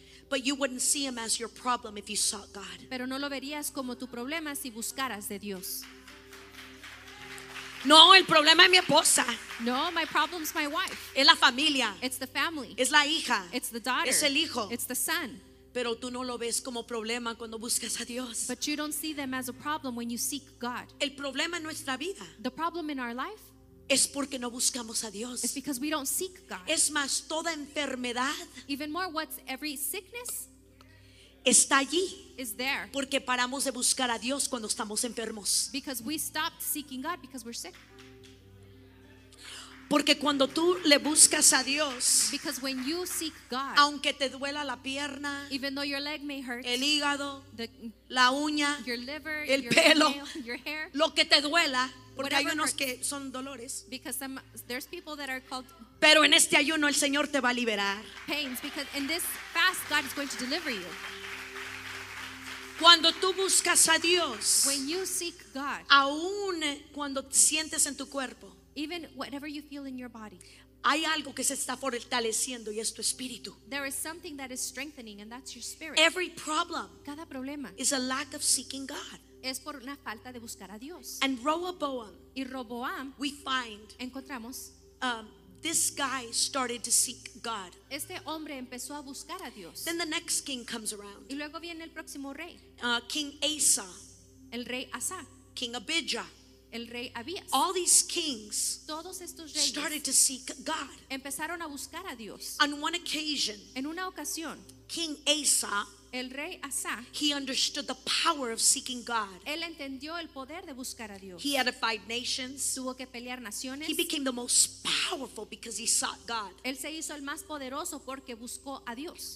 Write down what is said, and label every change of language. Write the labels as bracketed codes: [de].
[en] But you wouldn't see him as your problem if you sought God. [es] Pero no lo verías como tu problema si buscaras de Dios. No, el problema es mi esposa. [en] No, my problem is my wife. [es] Es la familia. [en] It's the family. [es] Es la hija. [en] It's the daughter. [es] Es el hijo. [en] It's the son. [es] Pero tú no lo ves como problema cuando buscas a Dios. [en] But you don't see them as a problem when you seek God. [es] El problema en nuestra vida, [en] the problem in our life, [es] es porque no buscamos a Dios. [en] It's because we don't seek God. [es] Es más, toda enfermedad, [en] even more, what's every sickness, [es] está allí, [en] is there, [es] porque paramos de buscar a Dios cuando estamos enfermos. [en] Because we stopped seeking God because we're sick. [es] Porque cuando tú le buscas a Dios, [en] because when you seek God, [es] aunque te duela la pierna, [en] even though your leg may hurt, [es] el hígado, [en] the, [es] la uña, [en] your liver, [es] el [en] your [es] pelo, [en] nail, your hair, [es] lo que te duela, porque hay unos que son dolores, [en] because some, there's people that are called, [es] pero en este ayuno el Señor te va a liberar. [en] Pains, because in this fast God is going to deliver you. [es] Cuando tú buscas a Dios, [en] when you seek God, [es] aún cuando sientes en tu cuerpo, [en] even whatever you feel in your body, [es] hay algo que se está fortaleciendo y es tu espíritu. [en] There is something that is strengthening and that's your spirit. Every problem, [es] cada problema, [en] is a lack of seeking God. [es] Es por una falta de buscar a Dios. [en] And Rehoboam, [es] y Roboam, [en] we find, [es] encontramos, [en] this guy started to seek God. [es] Este hombre empezó a buscar a Dios. [en] Then the next king comes around. [es] Y luego viene el próximo rey. [en] King Asa, [es] el rey Asa, [en] King Abijah, [es] el rey Abías. [en] All these kings, [es] todos estos reyes, [en] started to seek God. [es] Empezaron a buscar a Dios. [en] On one occasion, [es] en una ocasión, [en] King Asa, [es] el rey Asa, [en] he understood the power of seeking God. [es] Él entendió el poder de buscar a Dios. [en] He edified nations, [es] tuvo que pelear naciones. [en] He became the most powerful because he sought God. [es] Él se hizo el más poderoso porque buscó a Dios.